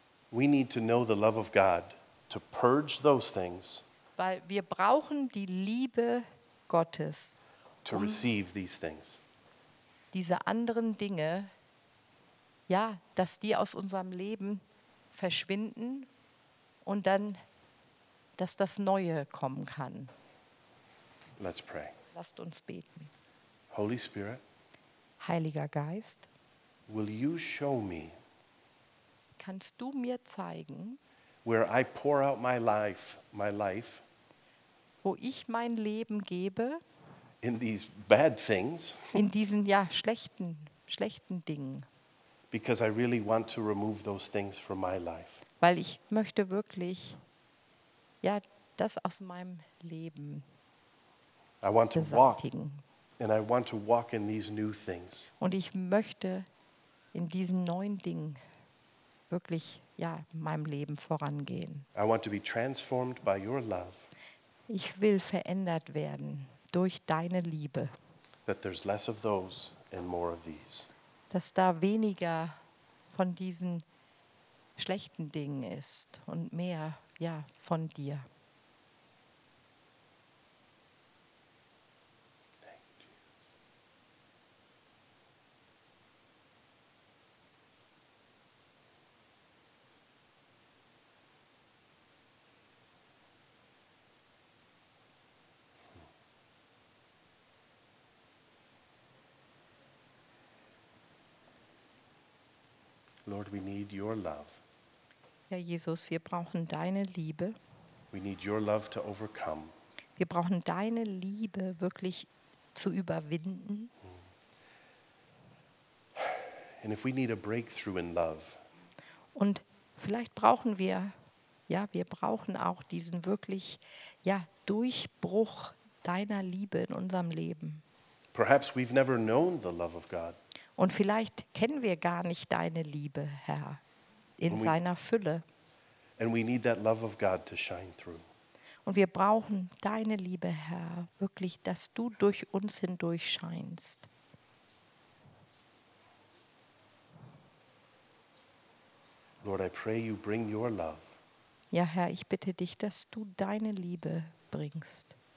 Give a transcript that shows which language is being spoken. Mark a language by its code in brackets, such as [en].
[en] We need to know the love of God to purge those things. [de] Weil wir brauchen die Liebe Gottes. [en] To receive these things. [de] Diese anderen Dinge, ja, dass die aus unserem Leben verschwinden und dann, dass das Neue kommen kann. [en] Let's pray. [de] Lasst uns beten. [en] Holy Spirit. [de] Heiliger Geist. [en] Will you show me? [de] Kannst du mir zeigen, [en] where I pour out my life, [de] wo ich mein Leben gebe, [en] in these bad things, [de] in diesen ja schlechten Dingen, [en] because I really want to remove those things from my life, [de] weil ich möchte wirklich ja das aus meinem Leben [en] I want to walk, and I want to walk in these new things, [de] und ich möchte in diesen neuen Dingen wirklich ja in meinem Leben vorangehen. [en] I want to be transformed by your love. [de] Ich will verändert werden durch deine Liebe. [en] That there's less of those and more of these. [de] Dass da weniger von diesen schlechten Dingen ist und mehr ja von dir. [en] Lord, we need your love. [de] Ja, Jesus, wir brauchen deine Liebe. [en] We need your love to overcome. [de] Wir brauchen deine Liebe wirklich zu überwinden. [en] And if we need a breakthrough in love. [de] Und vielleicht brauchen wir, ja, wir brauchen auch diesen wirklich, ja, Durchbruch deiner Liebe in unserem Leben. [en] Perhaps we've never known the love of God. [de] Und vielleicht kennen wir gar nicht deine Liebe, Herr, in seiner Fülle. [en] And we need that love of God to shine through. [de] Und wir brauchen deine Liebe, Herr, wirklich, dass du durch uns hindurch scheinst. [en] Lord, I pray you bring your love. [de] Ja, Herr, ich bitte dich, dass du deine Liebe bringst.